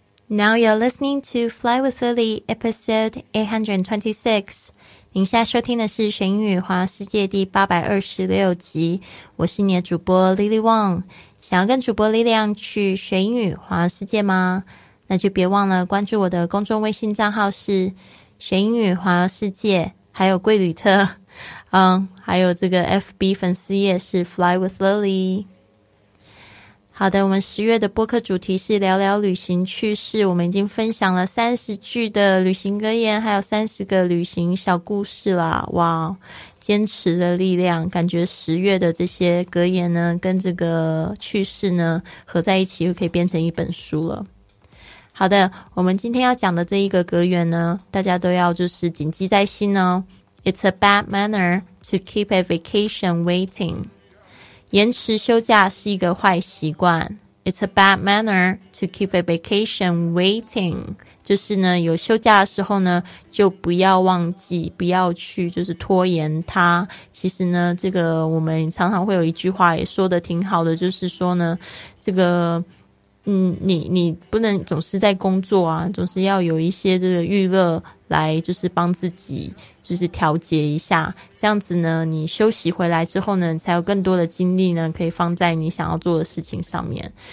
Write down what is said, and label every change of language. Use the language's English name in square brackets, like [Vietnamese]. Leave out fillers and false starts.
[English] Now you're listening to Fly with Lily, episode 826. [Chinese] 您现在收听的是《学英语环游世界》第826集。我是你的主播 Lily Wong。想要跟主播 Lily Wong 去学英语环游世界吗？那就别忘了关注我的公众微信账号是《学英语环游世界》，还有贵旅特，还有这个 FB 粉丝页是 Fly with Lily。好的，我们10月的播客主题是聊聊旅行趣事。我们已经分享了30句的旅行格言，还有30个旅行小故事啦。哇，坚持的力量，感觉10月的这些格言呢跟这个趣事呢合在一起又可以变成一本书了。好的，我们今天要讲的这一个格言呢，大家都要就是谨记在心哦。 [English] It's a bad manner to keep a vacation waiting. [Chinese] 延迟休假是一个坏习惯。 [English] It's a bad manner to keep a vacation waiting. [Chinese] 就是呢有休假的时候呢就不要忘记，不要去就是拖延它。其实呢这个我们常常会有一句话也说的挺好的，就是说呢这个你不能总是在工作啊，总是要有一些这个娱乐来就是帮自己就是调节一下，这样子呢你休息回来之后呢才有更多的精力呢可以放在你想要做的事情上面。